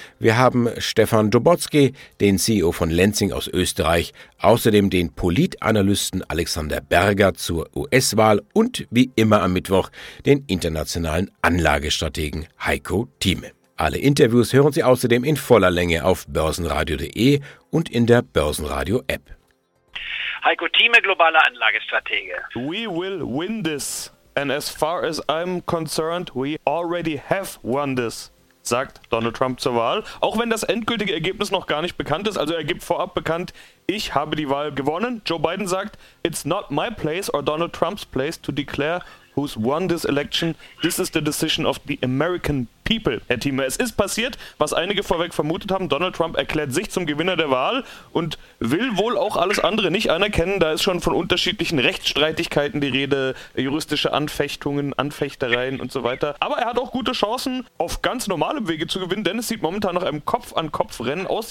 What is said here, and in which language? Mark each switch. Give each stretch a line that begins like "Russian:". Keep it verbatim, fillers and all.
German: Wir haben Stefan Dobotzky, den C E O von Lenzing aus Österreich, außerdem den Politanalysten Alexander Berger zur U S-Wahl und wie immer am Mittwoch den internationalen Anlagestrategen Heiko Thieme. Alle Interviews hören Sie außerdem in voller Länge auf börsenradio punkt de und in der Börsenradio-App. Heiko Thieme, globaler Anlagestratege.
English: We will win this. And as far as I'm concerned, we already have won this,
German: sagt Donald Trump zur Wahl. Auch wenn das endgültige Ergebnis noch gar nicht bekannt ist. Also er gibt vorab bekannt, ich habe die Wahl gewonnen. Joe Biden sagt,
English: it's not my place or Donald Trump's place to declare who's won this election. This is the decision of the American people, Herr Thieme.
German: Es ist passiert, was einige vorweg vermutet haben. Donald Trump erklärt sich zum Gewinner der Wahl und will wohl auch alles andere nicht anerkennen. Da ist schon von unterschiedlichen Rechtsstreitigkeiten die Rede, juristische Anfechtungen, Anfechtereien und so weiter. Aber er hat auch gute Chancen, auf ganz normalem Wege zu gewinnen, denn es sieht momentan nach einem Kopf-an-Kopf-Rennen aus.